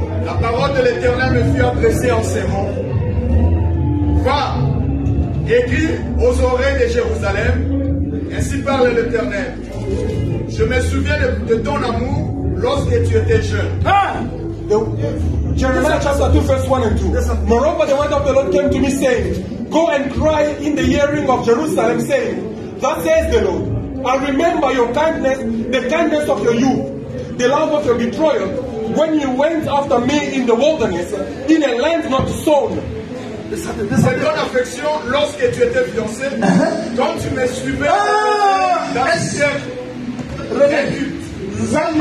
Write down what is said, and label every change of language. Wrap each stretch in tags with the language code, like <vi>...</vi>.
<fr>La parole de l'Éternel me fut adressée en ces mots. Va et dis aux oreilles de Jérusalem, ainsi parle l'Éternel. Je me souviens de ton amour lorsque tu étais jeune.</fr> <en>Jeremiah chapter 2, verse 1 and 2. Moreover, the word of the Lord came to me saying, go and cry in the hearing of Jerusalem, saying, thus says the Lord, I remember your kindness, the kindness of your youth, the love of your betrayal, when you went after me in the wilderness, in a land not sown.</en> <fr>C'est ton affection lorsque tu étais fiancé, quand tu me suivais dans le siècle.</fr>